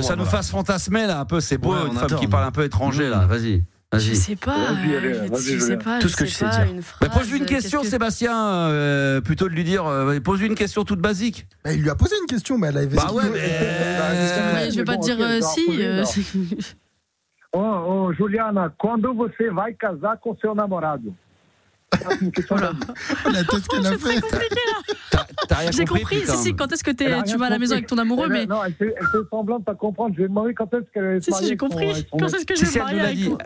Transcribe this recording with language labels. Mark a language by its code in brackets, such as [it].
[fr] Que ça nous fasse fantasmer là, un peu. C'est beau, une femme qui parle un peu étranger là. Vas-y. Je sais pas. Tout ce que tu sais dire. Mais pose-lui une question, Sébastien. Plutôt de lui dire. Pose-lui une question toute basique. Il lui a posé une question, mais elle avait. Bah ouais, mais. Je vais pas te dire si. [pt] Oh, Juliana, quando você vai casar com seu namorado? [fr] La tête qu'elle a faite. J'ai compris. Putain. Si, quand est-ce que tu vas à la maison avec ton amoureux? Elle, mais. Non, elle fait semblant de pas comprendre. Je vais demander quand est-ce qu'elle est. Si, j'ai compris. Quand est-ce que je vais marier avec toi?